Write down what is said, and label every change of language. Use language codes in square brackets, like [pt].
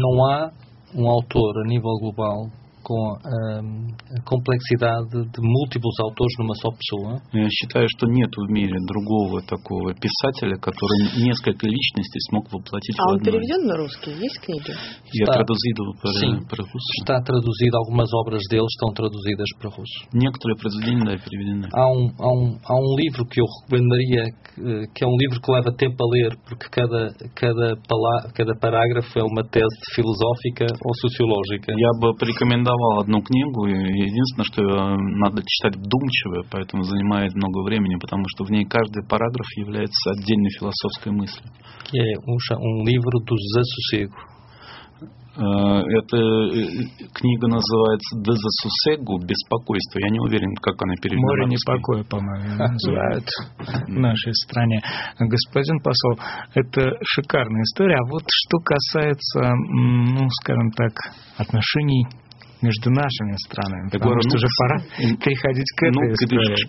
[pt] Não há um autor a nível global com a complexidade de múltiplos autores numa só pessoa. Eu [ru] считаю, что нет в мире другого такого писателя, который несколько личностей смог воплотить в одной. А он переведен на русский? Есть книги? [pt] Я traduzido para russo. Está traduzido, algumas obras dele estão traduzidas para russo. [ru] Некоторые произведения да, переведены. [pt] Há um livro que eu recomendaria, que é um livro que leva tempo a ler, porque cada parágrafo é uma tese filosófica ou sociológica. [ru] Я бы рекомендовал одну книгу, единственное, что надо читать вдумчиво, поэтому занимает много времени, потому что в ней каждый параграф является отдельной философской мыслью. [pt] Que é um livro do desassossego. [ru] Эта книга называется «Desassossego», «Беспокойство». Я не уверен, как она переведена. «Море непокоя», по-моему, называют в нашей стране. Господин посол, это шикарная история. А вот что касается, ну, скажем так, отношений между нашими странами, потому говорю, что уже пора переходить к этой истории.